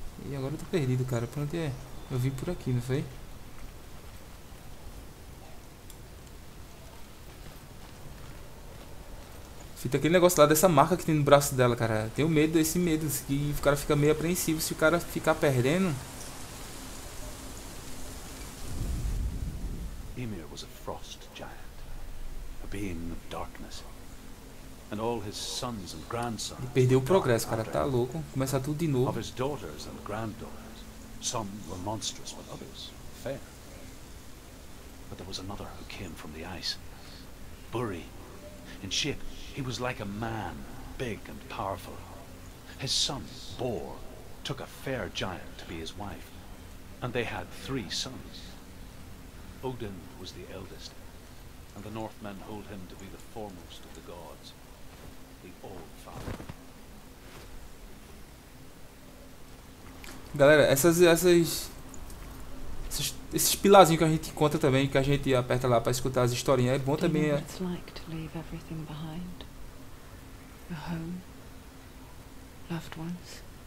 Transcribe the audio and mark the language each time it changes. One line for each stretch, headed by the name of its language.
Portuguese: E agora eu tô perdido, cara, pra onde é? Eu vim por aqui, não foi? Fita aquele negócio lá dessa marca que tem no braço dela, cara. Tenho medo desse medo, que o cara fica meio apreensivo se o cara ficar perdendo.
English: Ymir was a frost giant, a being of darkness, and all his sons and grandsons.
Portuguese: Ele perdeu o progresso, cara, tá louco. Começa tudo de novo.
English: Of his daughters and granddaughters, some were monstrous, but others fair. But there was another who came from the ice, Buri. In shape, he was like a man, big and powerful. His son, Bor, took a fair giant to be his wife, and they had three sons. Odin was the eldest, and the Northmen hold him to be the foremost of the gods, the All-Father.
Portuguese: Galera, esses pilazinhos que a gente encontra também, que a gente aperta lá para escutar as historinhas, é bom também.
English: You know what it's like to leave everything behind? Your home, loved ones,